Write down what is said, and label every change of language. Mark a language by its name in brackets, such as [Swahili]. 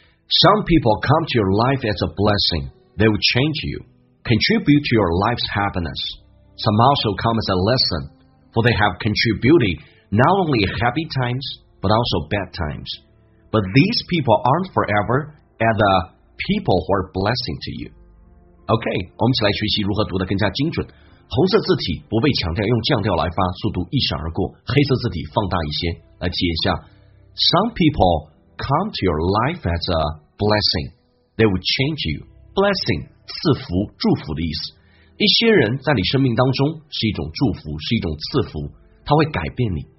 [English] Some people come to your life as a blessing. They will change you, contribute to your life's happiness. Some also come as a lesson, for they have contributed not only happy times, but also bad times. But these people aren't forever at thepeople who are blessing to you. [Chinese] OK, 我们一起来学习如何读得更加精准。红色字体不被强调，用降调来发，速度一闪而过。黑色字体放大一些，来记一下。 [English] Some people come to your life as a blessing. They will change you. Blessing, [Chinese] 赐福、祝福的意思。一些人在你生命当中是一种祝福，是一种赐福，它会改变你。